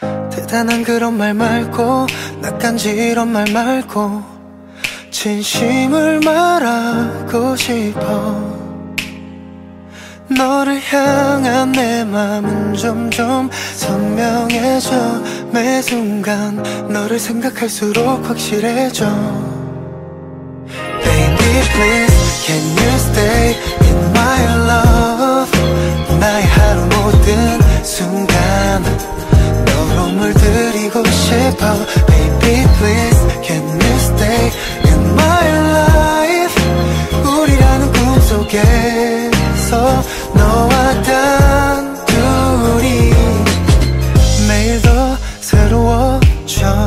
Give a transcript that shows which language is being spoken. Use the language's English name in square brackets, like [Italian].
[Korean] 대단한 그런 말 말고 낯간지런 말 말고 진심을 말하고 싶어. 너를 향한 내 맘은 점점 선명해져. 매 순간 너를 생각할수록 확실해져. [English] Baby please can you stay in my love. [Korean] 나의 하루 모든 순간 너로 물들이고 싶어. [English] Baby please can you stay my life. [Korean] 우리라는 꿈속에서 너와 단둘이 매일 더 새로워져.